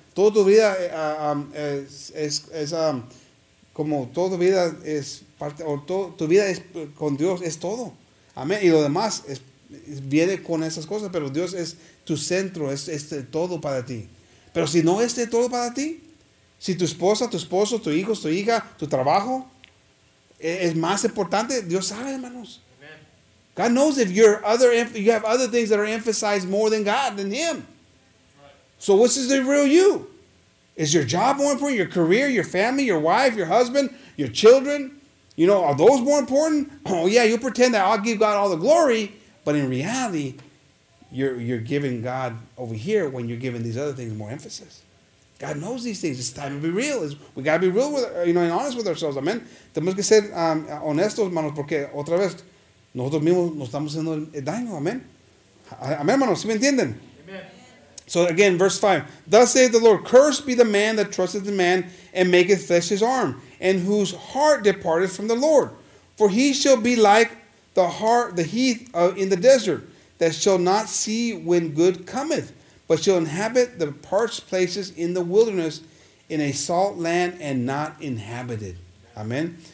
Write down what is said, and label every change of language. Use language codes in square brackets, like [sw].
[es] Todo tu vida es como toda tu vida es parte, o todo tu vida es con Dios, es todo. Amén. Y lo demás viene con esas cosas, pero Dios es tu centro, es todo para ti. Pero si no es de todo para ti, si tu esposa, tu esposo, tu hijo, tu hija, tu trabajo es más importante, Dios sabe, hermanos. [en] Amen. God knows if you have other things that are emphasized more than God, than Him. So what is the real you? Is your job more important? Your career, your family, your wife, your husband, your children? You know, are those more important? Oh, yeah, you pretend that I'll give God all the glory. But in reality, you're giving God over here when you're giving these other things more emphasis. God knows these things. It's time to be real. We got to be real with, you know, and honest with ourselves. Amen. [es] Tenemos que ser honestos, hermanos, porque otra vez, nosotros mismos nos estamos haciendo el daño. [en] Amen. Amen, [es] hermanos, ¿sí me entienden? [en] So again, verse 5. Thus saith the Lord, cursed be the man that trusteth in man and maketh flesh his arm, and whose heart departeth from the Lord. For he shall be like the heart, the heath in the desert, that shall not see when good cometh, but shall inhabit the parched places in the wilderness, in a salt land and not inhabited. Amen.